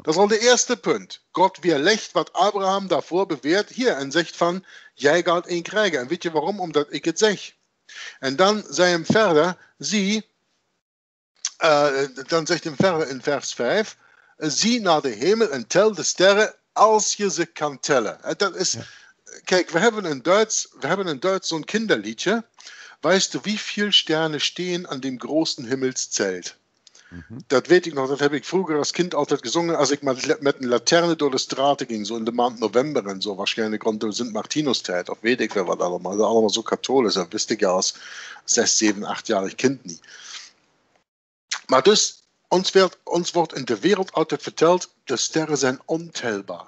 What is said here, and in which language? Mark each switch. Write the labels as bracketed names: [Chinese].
[Dutch] Dat is al de eerste punt. God weerlegt wat Abraham daarvoor beweert hier en zegt van, jij gaat een krijgen. En weet je waarom? Omdat ik het zeg. En dan zei hem verder, zie, dan zegt hem verder in vers 5, zie naar de hemel en tel de sterren als je ze kan tellen. Dat is, ja. Kijk, we hebben in Duits zo'n Kinderliedje. [German] Weißt du, wie viele Sterne stehen an dem großen Himmelszelt? [Dutch] Das weet ik nog, dat heb ik vroeger als kind altijd gesungen, als ik met een Laterne door de straten ging, so in de maand November en zo, wahrscheinlich rond de Sint-Martinus-Tijd, of weet ik wel wat allemaal, dat allemaal so katholisch, dat wist ik ja als 6, 7, 8-jarig kind niet. Maar dus, ons wordt in de wereld altijd verteld, de sterren zijn ontelbaar.